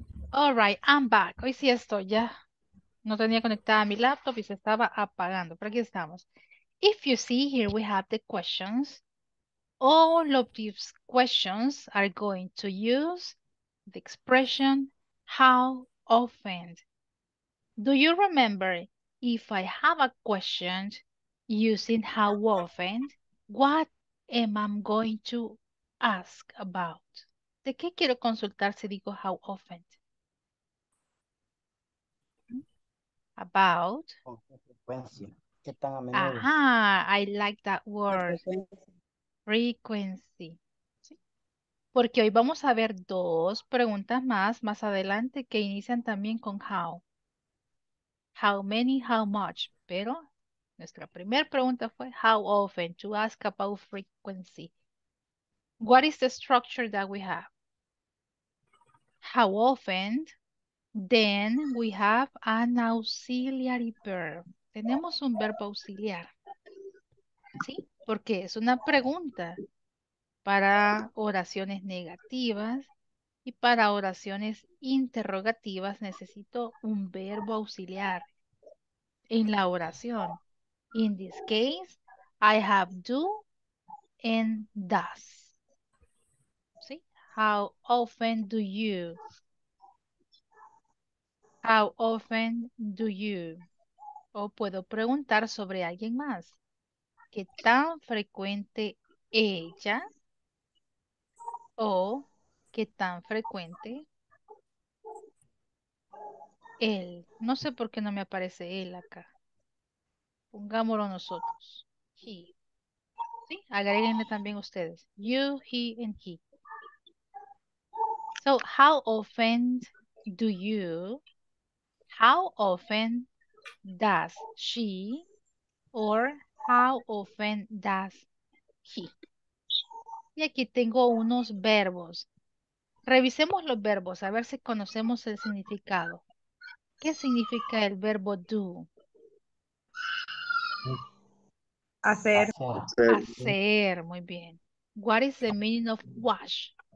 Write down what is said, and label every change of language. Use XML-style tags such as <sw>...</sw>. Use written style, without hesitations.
<en>All right, I'm back.</en> <es>Hoy sí estoy ya. No tenía conectada mi laptop y se estaba apagando, pero aquí estamos.</es> <en>If you see here, we have the questions. All of these questions are going to use the expression how often. Do you remember if I have a question using how often, what am I going to ask about?</en> <es>¿De qué quiero consultar si digo</es> <en>how often? About.</en> <es>Con qué frecuencia, qué tan a menudo.</es> <en>Ajá, I like that</en> <es>¿Qué</es> <en>word.</en> <es>frecuencia? Frequency. Porque hoy vamos a ver dos preguntas más adelante que inician también con how.</es> <en>How many, how much.</en> <es>Pero nuestra primera pregunta fue</es> <en>how often to ask about frequency. What is the structure that we have? How often then we have an auxiliary verb.</en> <es>Tenemos un verbo auxiliar. ¿Sí? Porque es una pregunta para oraciones negativas y para oraciones interrogativas necesito un verbo auxiliar en la oración.</es> <en>In this case, I have do and does. ¿Sí? How often do you? How often do you?</en> <es>O puedo preguntar sobre alguien más. ¿Qué tan frecuente ella? O ¿qué tan frecuente él? No sé por qué no me aparece él acá. Pongámoslo nosotros. He. ¿Sí? Agréguenle también ustedes.</es> <en>You, he, and he. So, how often do you? How often does she or how often does he?</en> <es>Y aquí tengo unos verbos. Revisemos los verbos a ver si conocemos el significado. ¿Qué significa el verbo do? Hacer. Hacer, muy bien.</es> <en>What is the meaning of wash?</en>